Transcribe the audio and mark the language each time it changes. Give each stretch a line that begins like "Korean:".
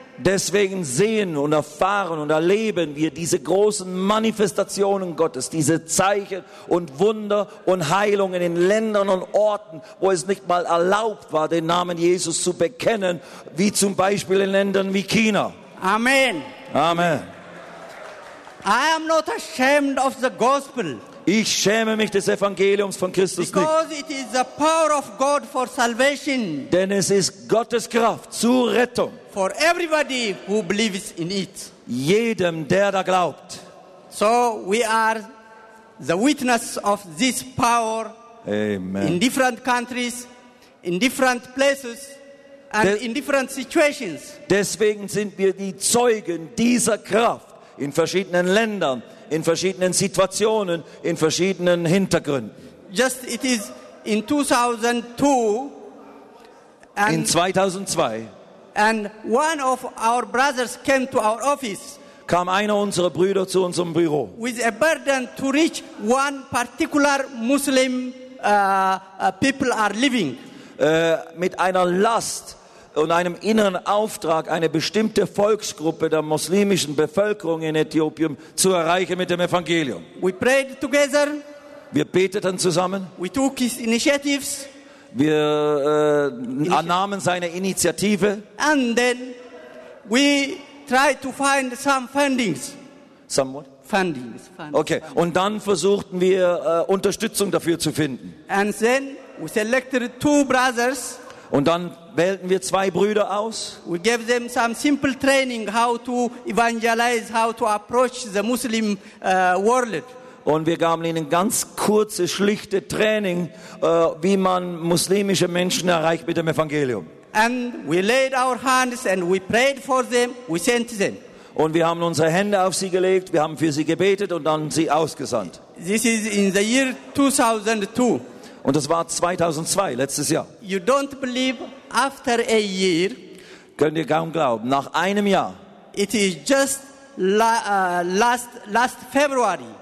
German: Deswegen sehen und erfahren und erleben wir diese großen Manifestationen Gottes, diese Zeichen und Wunder und Heilungen in Ländern und Orten, wo es nicht mal erlaubt war, den Namen Jesus zu bekennen, wie zum Beispiel in Ländern wie China. Amen. Amen.
English: I am not ashamed of the gospel.
German: Ich schäme mich des Evangeliums von Christus
English: because
German: nicht.
English: It is the power of God for salvation.
German: Denn es ist Gottes Kraft zur Rettung.
English: For everybody who believes in it.
German: Jedem, der da glaubt.
English: So we are the witness of this power. Amen. In different countries, in different places, and in different situations.
German: Deswegen sind wir die Zeugen dieser Kraft in verschiedenen Ländern, in verschiedenen Situationen, in verschiedenen Hintergründen.
English: Just it is in 2002,
German: In 2002.
English: And one of our brothers came to our office.
German: Kam einer unserer Brüder zu unserem Büro.
English: With a burden to reach one particular Muslim people are living.
German: Mit einer Last und einem inneren Auftrag, eine bestimmte Volksgruppe der muslimischen Bevölkerung in Äthiopien zu erreichen mit dem Evangelium.
English: We prayed together.
German: Wir beteten zusammen.
English: We took his initiatives.
German: Wir annahmen seine Initiative.
English: And then we tried to find some fundings. Some what? Fundings.
German: Okay, und dann versuchten wir Unterstützung dafür zu finden.
English: And then we selected two brothers.
German: Und dann wählten wir zwei Brüder aus.
English: We gave them some simple training how to evangelize, how to approach the Muslim world.
German: Und wir gaben ihnen ganz kurze, schlichte Training, wie man muslimische Menschen erreicht mit dem Evangelium.
English: And we laid our hands and we prayed for them, we sent them.
German: Und wir haben unsere Hände auf sie gelegt, wir haben für sie gebetet und dann sie ausgesandt.
English: This is in the year 2002.
German: Und das war 2002, letztes Jahr.
English: You don't believe after a year.
German: Könnt ihr kaum glauben, nach einem Jahr.
English: It is just last February.